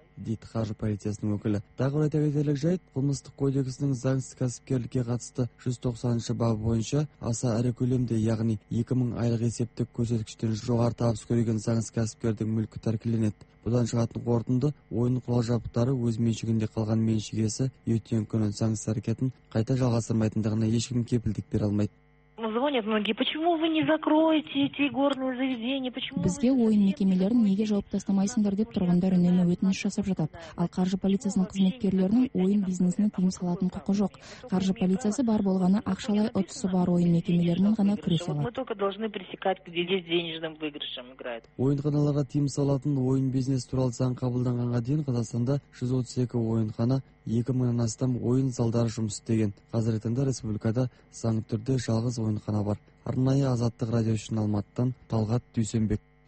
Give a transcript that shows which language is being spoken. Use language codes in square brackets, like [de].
[kk] Дейді қаржы полициясының өкілі. Тағы айта кетерлік жайт, қылмыстық кодексінің заңсыз кәсіпкерлікке қатысты 190-шы бабы бойынша аса ірі көлемде, яғни 2000 айлық есептік көрсеткіштен жоғары табыс көрген заңсыз кәсіпкердің мүлкі тәркіленеді. Бұдан шығатын қорытынды, ойын құрал-жабдықтары өз меншігінде қалған меншік иесі өткен күні заңсыз әрекетін қайта жалғастырмайтындығына ешкім кепілдік бере алмайды. [ru] Звонят многие: почему вы не закроете эти горные заведения? Почему [kk] бізге ойын мекемелерін неге жауып тастамайсыңдар деп тұрғындар үнемі өтініш жасап жатады. Ал қаржы полициясының қызметкерлерінің ойын бизнесіне тыйым салатын құқы жоқ. Қаржы полициясы бар болғаны ақшалай ұтысы бар ойын мекемелерімен ғана күресе алады. [ru] Мы только должны пресекать, где здесь денежным выигрышем играют. [kk] Ойынханаларға тыйым салатын ойын бизнес туралы заң қабылданғанға дейін Қазақстанда 132 ойынхана, 2000-нан астам ойын залдары жұмыс істеген. Қазіргі таңда республикада заң түрде жалғыз ойынхана бар. Арнайы Азаттық радио үшін Алматыдан Талғат Дүйсенбек.